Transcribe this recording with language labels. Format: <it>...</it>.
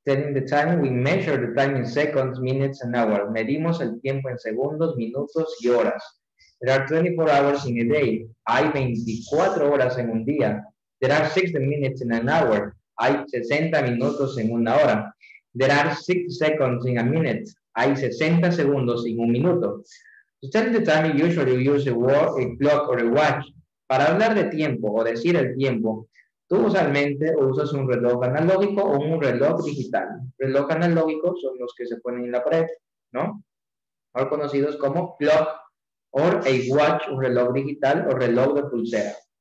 <en>Telling the time, we measure the time in seconds, minutes, and hours.</en> <es>Medimos el tiempo en segundos, minutos y horas.</es> <en>There are 24 hours in a day.</en> <es>Hay 24 horas en un día.</es> <en>There are 60 minutes in an hour.</en> <es>Hay 60 minutos en una hora.</es> <en>There are 6 seconds in a minute.</en> <es>Hay 60 segundos en un minuto.</es> <en>To tell the time, you usually use a word, a clock, or a watch.</en> <es>Para hablar de tiempo o decir el tiempo, tú usualmente usas un reloj analógico o un reloj digital. Reloj analógico son los que se ponen en la pared, ¿no? Mejor conocidos como</es> <en>clock or a watch,</en> <es>un reloj digital o reloj de pulsera.</es>